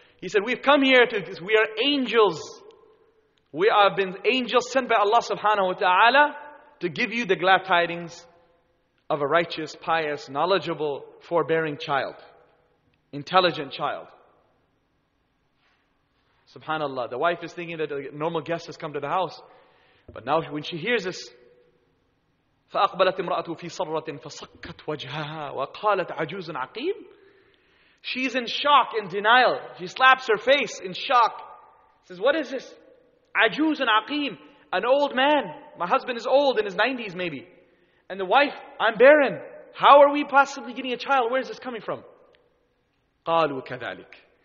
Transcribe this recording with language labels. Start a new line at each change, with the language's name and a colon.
English: He said, we've come here to this, we are angels. We have been angels sent by Allah subhanahu wa ta'ala to give you the glad tidings of a righteous, pious, knowledgeable, forbearing child. Intelligent child. Subhanallah. The wife is thinking that a normal guest has come to the house. But now when she hears this,
Arabic: فَأَقْبَلَتْ إِمْرَأَتُهُ فِي صَرَّةٍ فَصَكَّتْ وَجْهَهَا وَقَالَتْ عَجُوزٌ عَقِيمٌ.
English: She's in shock, in denial. She slaps her face in shock. Says, what is this? Ajuz and aqim, an old man. My husband is old, in his 90s maybe. And the wife, I'm barren. How are we possibly getting a child? Where is this coming from?
Arabic: قَالُوا كَذَلِكَ.